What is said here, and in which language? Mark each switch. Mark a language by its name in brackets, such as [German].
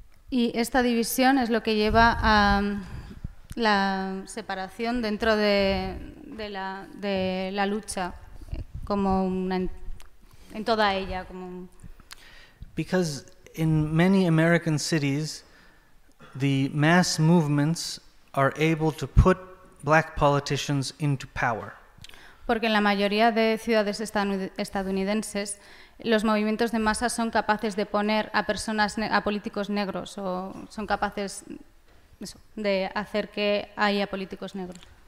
[Spanish] Y esta división es lo que lleva a la separación dentro de la lucha como una en toda ella como un... [English] Because in many American cities, the mass movements are able to put black politicians into power. [Spanish] Porque en la mayoría de ciudades estadounidenses, los movimientos de masa son capaces de poner a personas, a políticos negros, o son capaces de hacer que haya políticos negros.